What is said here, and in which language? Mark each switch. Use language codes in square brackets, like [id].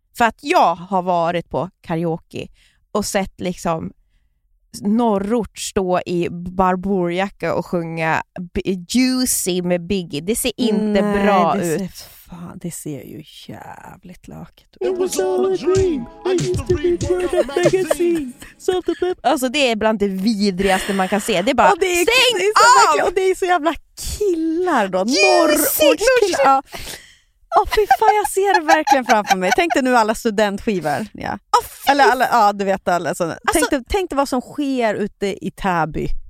[sv] För att jag har varit på karaoke och sett liksom norrort stå i barborjacka och sjunga Juicy med Biggie. Det ser inte bra ut. Nej, det ser ju jävligt lökigt ut. [en] It was all a dream. I used to be for the magazine. [sv] Alltså det är bland det vidrigaste man kan se. Det är bara, stäng av! Och det är så jävla killar då. Norrortskillar. Åh, fy fan, jag ser det verkligen framför mig. Tänk dig nu alla studentskivor. Ja. Eller alla, ja, du vet alla. Tänk dig vad som sker ute i Täby.